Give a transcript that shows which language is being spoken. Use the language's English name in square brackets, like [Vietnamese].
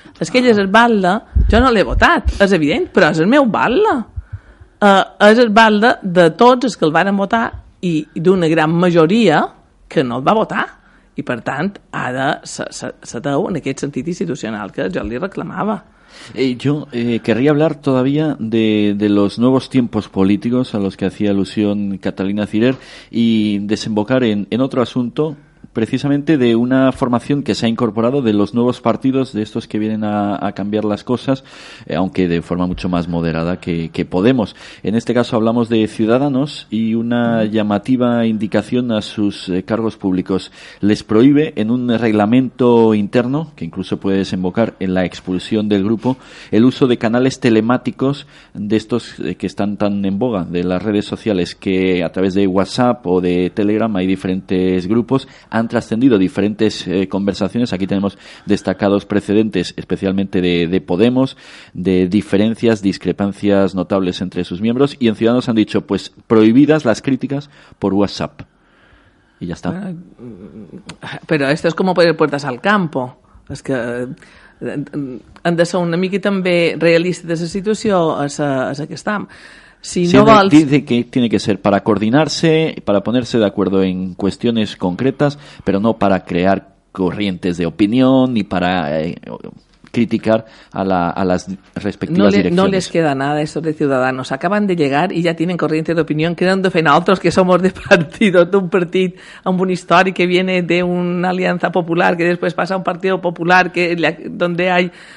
[Catalan] És que ell és el balde, jo no l'he votat, és evident, però és el meu balde. És el balde de tots els que el varen votar i d'una gran majoria que no el va votar, i per tant ha de ser teu en aquest sentit institucional que jo li reclamava. [Spanish] Yo querría hablar todavía de los nuevos tiempos políticos a los que hacía alusión Catalina Cirer y desembocar en otro asunto precisamente de una formación que se ha incorporado de los nuevos partidos, de estos que vienen a cambiar las cosas, aunque de forma mucho más moderada que Podemos. En este caso hablamos de Ciudadanos y una llamativa indicación a sus cargos públicos. Les prohíbe en un reglamento interno, que incluso puede desembocar en la expulsión del grupo, el uso de canales telemáticos de estos que están tan en boga, de las redes sociales, que a través de WhatsApp o de Telegram hay diferentes grupos, han trascendido diferentes conversaciones. Aquí tenemos destacados precedentes, especialmente de Podemos, de diferencias, discrepancias notables entre sus miembros, y en Ciudadanos han dicho, pues, prohibidas las críticas por WhatsApp. Y ya está. Pero esto es como poner puertas al campo. [Catalan] És que han de ser una miqui també realistes de la situació, és que estem. Si no vols... [Spanish] Dice que tiene que ser para coordinarse, para ponerse de acuerdo en cuestiones concretas, pero no para crear corrientes de opinión ni para criticar a las respectivas direcciones. No les queda nada a estos de Ciudadanos. Acaban de llegar y ya tienen corrientes de opinión, quedando fe en otros que somos de partido, de un partido, amb un histórico que viene de una alianza popular, que después pasa a un partido popular, que donde hay...